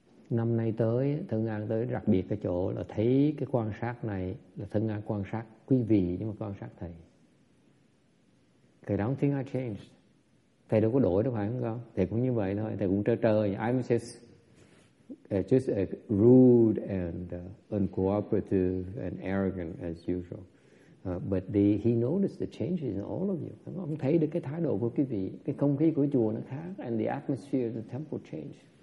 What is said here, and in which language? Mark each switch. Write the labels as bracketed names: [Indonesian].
[Vietnamese] Năm nay tới, thân an tới đặc biệt cái chỗ là thấy cái quan sát này là thân an quan sát quý vị nhưng mà quan sát thầy. [English] I don't think I changed. [Vietnamese] Thầy đâu có đổi đâu phải không con? Thầy cũng như vậy thôi, thầy cũng trơ trơ. [English] I'm just a rude and uncooperative and arrogant as usual. But he noticed the changes in all of you. [Vietnamese] Ông thấy được cái thái độ của quý vị, cái không khí của chùa nó khác, [English] and the atmosphere of the temple changed.